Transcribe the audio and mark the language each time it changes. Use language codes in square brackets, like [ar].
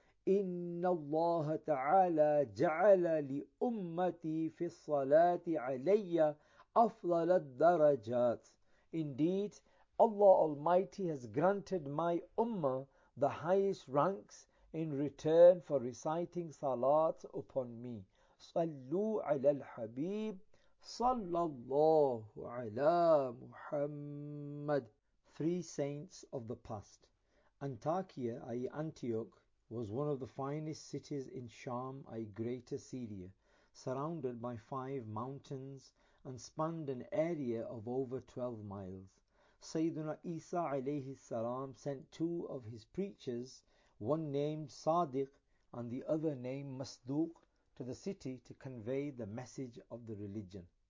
[ar] إِنَّ اللَّهَ تَعَالَى جَعَلَ لِأُمَّتِي فِي الصَّلَاةِ عَلَيَّ أَفْضَلَ الدَّرَجَاتِ [en] Indeed, Allah Almighty has granted my Ummah the highest ranks in return for reciting Salat upon me. [ar] صَلُّوا عَلَى الْحَبِيبِ صَلَّى اللَّهُ عَلَى مُحَمَّدٍ [en] Three saints of the past. Antakya, i.e. Antioch, was one of the finest cities in Sham, i.e. Greater Syria, surrounded by five mountains and spanned an area of over 12 miles. Sayyiduna Isa alayhi salam sent two of his preachers, one named Sadiq and the other named Masduq, to the city to convey the message of the religion.